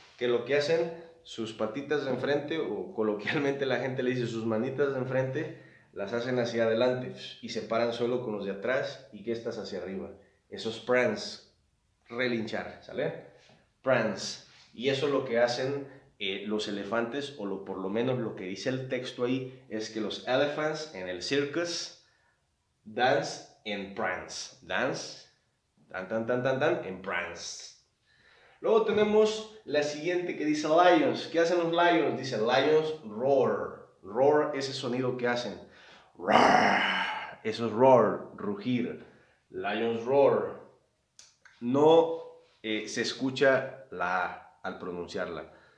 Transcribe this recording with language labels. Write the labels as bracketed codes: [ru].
[es] Que lo que hacen sus patitas de enfrente, o coloquialmente la gente le dice sus manitas de enfrente, las hacen hacia adelante y se paran solo con los de atrás y que estás hacia arriba. Eso es prance, relinchar, ¿sale? Prance. Y eso es lo que hacen los elefantes, o por lo menos lo que dice el texto ahí, es que los elephants en el circus [en] Dance and prance. Dance, tan, tan, tan, tan, tan, and prance. [es] Luego tenemos la siguiente que dice lions. ¿Qué hacen los lions? Dice [en] lions roar. [es] Roar, ese sonido que hacen. Roar. Eso es roar, rugir. [en] Lions roar. [es] No se escucha la A al pronunciarla.